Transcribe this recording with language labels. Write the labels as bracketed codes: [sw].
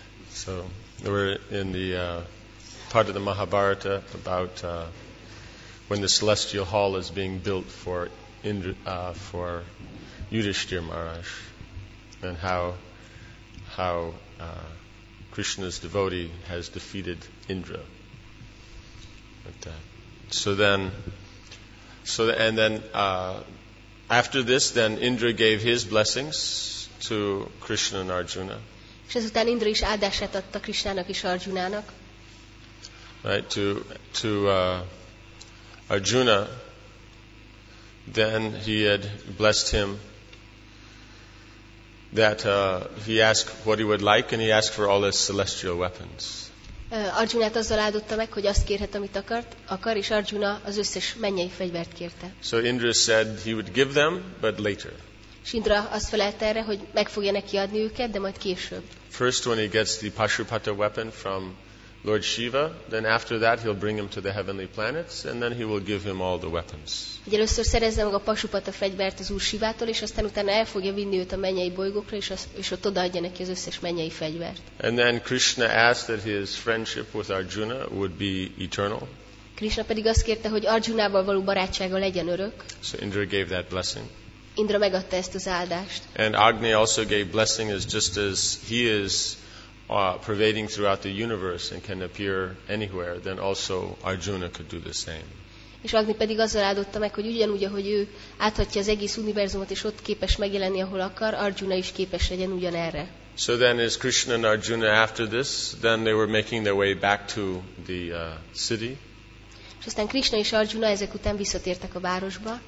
[en] So we're in the part of the Mahabharata about when the celestial hall is being built for Yudhishthir Maharaj, and how Krishna's devotee has defeated Indra. So then Indra gave his blessings to Krishna and Arjuna. [hu] És ezután Indra is áldását adta Krishnának és Arjunának. [en] Right, to Arjuna, then he had blessed him that he asked what he would like, and he asked for all his celestial weapons. [hu] Arjunát azzal áldotta meg, hogy azt kérhet, amit akar, és Arjuna az összes mennyei fegyvert kérte. [en] So Indra said he would give them, but later. [hu] És Indra azt felelte erre, hogy meg fogja neki adni őket, de majd később. [en] First when he gets the Pashupata weapon from Lord Shiva, then after that he'll bring him to the heavenly planets, and then he will give him all the weapons. [hu] Először szerezze meg a Pashupata fegyvert az Úr Sivától, és aztán utána el fogja vinni őt a mennyei bolygókra, és ott odaadja neki az összes mennyei fegyvert. [en] And then Krishna asked that his friendship with Arjuna would be eternal. [hu] Krishna pedig azt kérte, hogy Arjunával való barátsága legyen örök. [en] So Indra gave that blessing. [hu] Indra megadta ezt az áldást. [en] And Agni also gave blessing as just as he is pervading throughout the universe and can appear anywhere, then also Arjuna could do the same. [hu] És Agni pedig azzal áldotta meg, hogy ugyanúgy, ahogy ő áthatja az egész univerzumot, és ott képes megjelenni, ahol akar, Arjuna is képes legyen ugyanerre. [en] So then is Krishna and Arjuna after this, then they were making their way back to the city. [hu] És aztán Krishna és Arjuna ezek után visszatértek a városba.